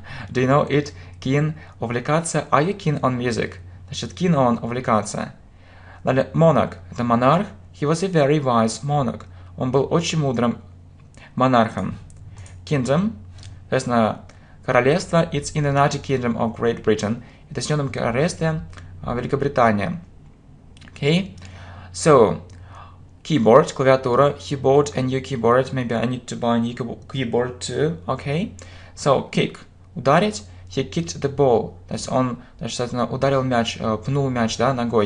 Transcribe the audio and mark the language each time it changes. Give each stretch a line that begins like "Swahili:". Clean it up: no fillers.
English: Do you know it? Keen. Увлекаться. Are you keen on music? Значит, keen on. Увлекаться. Далее, monarch. Это монарх. He was a very wise monarch.
Russian: Он был очень мудрым монархом.
English: Kingdom.
Russian: Соответственно, королевство.
English: It's in the United Kingdom of Great Britain.
Russian: Это Соединённое Королевство Великобритания.
English: Okay. So, keyboard, клавиатура. He bought a new keyboard. Maybe I need to buy a new keyboard too. Okay. So, kick. Ударить. He kicked the ball.
Russian: То есть он, соответственно, ударил мяч, пнул мяч, да, ногой.